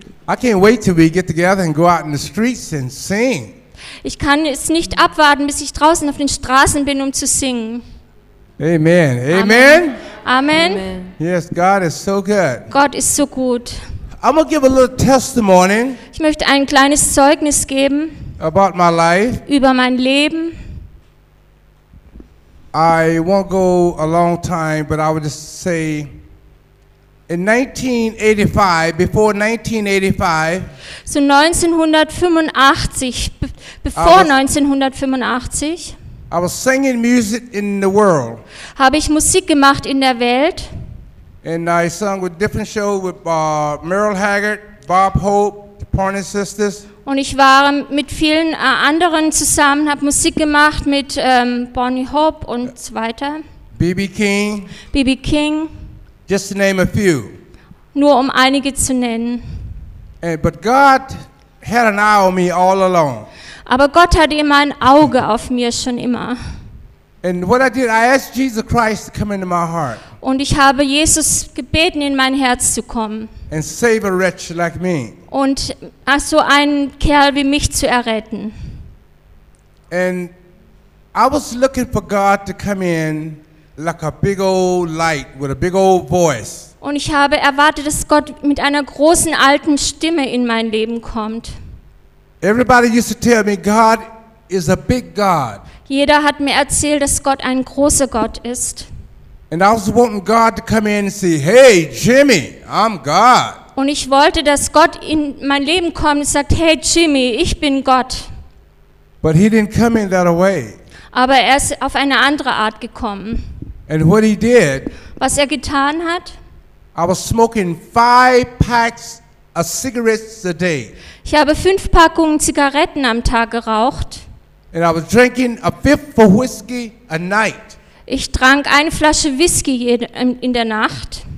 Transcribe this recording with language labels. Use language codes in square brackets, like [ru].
[en] I can't wait till we get together and go out in the streets and sing. [de] Ich kann es nicht abwarten, bis ich draußen auf den Straßen bin, um zu singen. Amen. Amen. Amen. Amen. [en] Yes, God is so good. [de] Gott ist so gut. [en] I'm gonna give a little testimony. [de] Ich möchte ein kleines Zeugnis geben. [en] About my life. [de] Über mein Leben. [en] I won't go a long time, but I would just say. In 1985, before 1985, [de] so 1985, bevor 1985, [en] I was singing music in the world. [de] Habe ich Musik gemacht in der Welt. [en] And I sung with different shows with Merle Haggard, Bob Hope, the Pointer Sisters. [de] Und ich war mit vielen anderen zusammen, habe Musik gemacht mit Bonnie Hope und so weiter. [en] B.B. King. [de] B.B. King. [en] Just to name a few. [de] Nur um einige zu nennen. [en] But God had an eye on me all along. [de] Aber Gott hatte immer ein Auge auf mir schon immer. [en] And what I did, I asked Jesus Christ to come into my heart. [de] Und ich habe Jesus gebeten, in mein Herz zu kommen. [en] And save a wretch like me. [de] Und so einen Kerl wie mich zu erretten. [en] And I was looking for God to come in. Like a big old light with a big old voice. [de] Und ich habe erwartet, dass Gott mit einer großen alten Stimme in mein Leben kommt. [en] Everybody used to tell me God is a big God. [de] Jeder hat mir erzählt, dass Gott ein großer Gott ist. [en] And I was wanting God to come in and say, "Hey, Jimmy, I'm God." [de] Und ich wollte, dass Gott in mein Leben kommt und sagt, "Hey, Jimmy, ich bin Gott." [en] But he didn't come in that way. [de] Aber er ist auf eine andere Art gekommen. [en] And what he did, [de] was er getan hat, [en] I was smoking 5 packs of cigarettes a day. [de] Ich habe 5 Packungen Zigaretten am Tag geraucht. [en] And I was drinking a fifth of whiskey a night. [de] Ich trank eine Flasche Whisky in der Nacht.